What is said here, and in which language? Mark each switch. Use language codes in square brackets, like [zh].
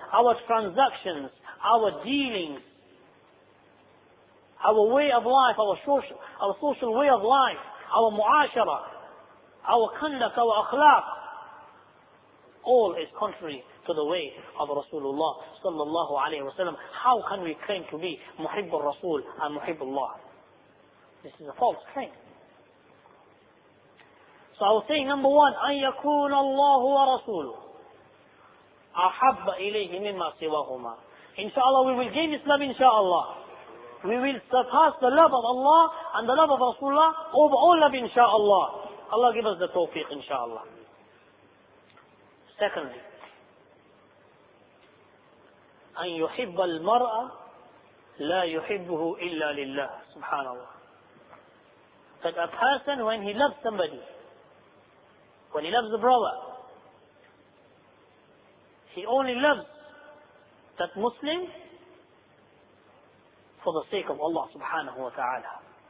[en] Our transactions, our dealings, our way of life, our social way of life, our mu'ashara, our conduct, our akhlaq, all is contrary to the way of Rasulullah sallallahu alayhi wa sallam. How can we claim to be muhibb al-Rasul and muhibb Allah? This is a false claim. So I was saying, number one, [ar] أن يكون الله ورسوله أحب إليه مما سواهما. [en] Inshallah, we will gain Islam, inshallah. We will surpass the love of Allah and the love of Rasulullah over all love, inshallah. Allah give us the tawfiq, inshallah. Secondly, [ar] أن يحب المرء لا يحبه إلا لله سبحان الله. [en] That a person, when he loves somebody, when he loves a brother, he only loves that Muslim for the sake of Allah subhanahu wa ta'ala.